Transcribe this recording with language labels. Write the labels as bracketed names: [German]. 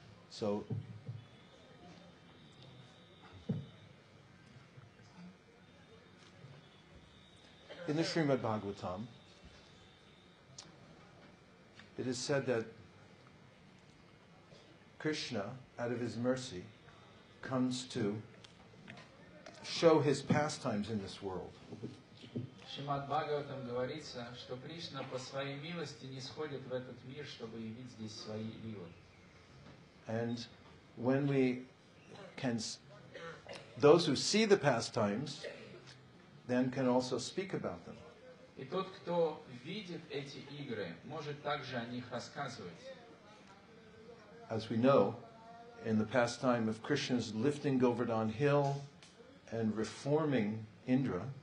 [English] So, in the Srimad Bhagavatam, it is said that Krishna, out of his mercy, comes to show his pastimes in this world. [Russian] Srimad Bhagavatam говорится, что Кришна по своей милости нисходит в этот мир, чтобы явить здесь свои лилы. [English] And when we can, those who see the pastimes, then can also speak about them. [Russian] И тот, кто видит эти игры, может также о них рассказывать. [English] As we know, in the pastime of Krishna's lifting Govardhan Hill and reforming Indra.